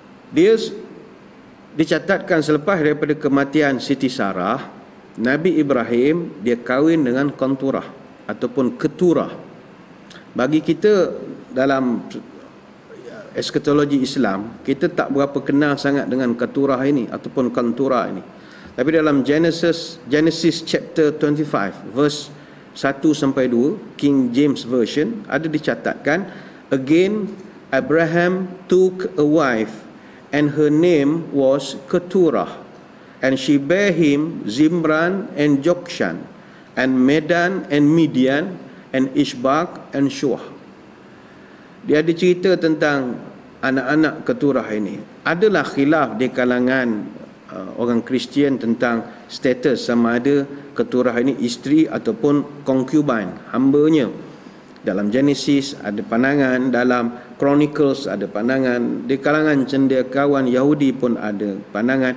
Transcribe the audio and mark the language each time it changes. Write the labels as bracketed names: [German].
[Malay] Dia dicatatkan selepas daripada kematian Siti Sarah, Nabi Ibrahim dia kahwin dengan Kanturah ataupun Keturah. Bagi kita dalam eskatologi Islam, kita tak berapa kenal sangat dengan Keturah ini ataupun Kanturah ini. Tapi dalam Genesis chapter 25 verse 1-2 King James Version ada dicatatkan, [English] again Abraham took a wife and her name was Keturah, and she bare him Zimran and Jokshan and Medan and Midian and Ishbak and Shuah. [Malay] Dia ada cerita tentang anak-anak Keturah ini. Adalah khilaf di kalangan orang Kristian tentang status sama ada Keturah ini isteri ataupun concubine, hambanya. Dalam Genesis ada pandangan, dalam Chronicles ada pandangan, di kalangan cendekiawan Yahudi pun ada pandangan.